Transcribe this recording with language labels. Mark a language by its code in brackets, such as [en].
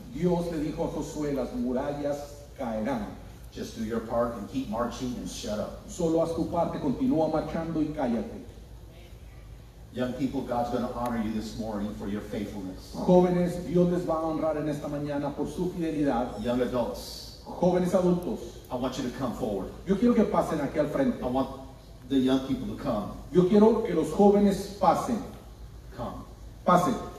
[es] Dios le dijo a Josué, las murallas caerán. [en] Just do your part and keep marching and shut up. [es] Solo haz tu parte, continúa marchando y cállate. [en] Young people, God's going to honor you this morning for your faithfulness. [es] Jóvenes, Dios les va a honrar en esta mañana por su fidelidad. [en] Young adults. [es] Jóvenes adultos. [en] I want you to come forward. [es] Yo quiero que pasen aquí al frente. [en] I want the young people to come. [es] Yo quiero que los jóvenes pasen. [en] Come. [es] Pasen.